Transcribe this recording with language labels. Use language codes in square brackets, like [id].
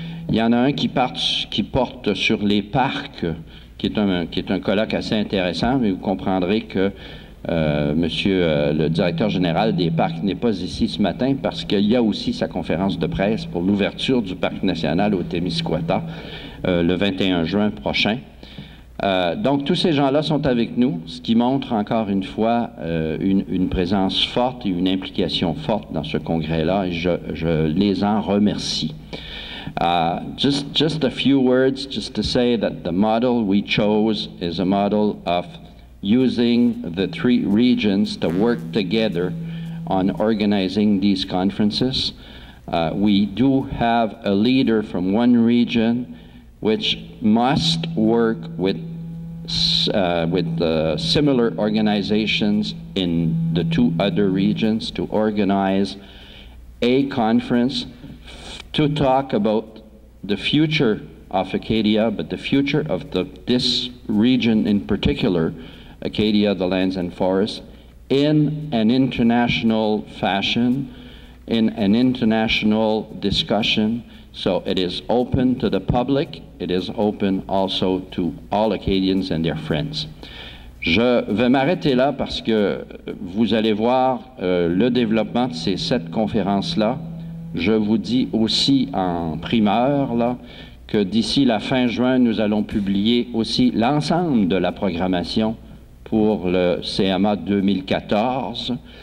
[fr] Il y en a un qui porte sur les parcs, qui est un colloque assez intéressant, mais vous comprendrez que Monsieur le directeur général des parcs n'est pas ici ce matin parce qu'il y a aussi sa conférence de presse pour l'ouverture du parc national au Témiscouata le 21 juin prochain. Donc, tous ces gens-là sont avec nous, ce qui montre encore une fois une présence forte et une implication forte dans ce congrès-là, et je les en remercie. [en] Just a few words, just to say that the model we chose is a model of using the three regions to work together on organizing these conferences. We do have a leader from one region which must work with similar organizations in the two other regions to organize a conference to talk about the future of Acadia, but the future of this region in particular, Acadia, the lands and forests, in an international fashion, in an international discussion. So it is open to the public, it is open also to all Acadians and their friends. [fr] Je vais m'arrêter là parce que vous allez voir le développement de ces sept conférences-là. Je vous dis aussi en primeur là, que d'ici la fin juin, nous allons publier aussi l'ensemble de la programmation pour le CMA 2014.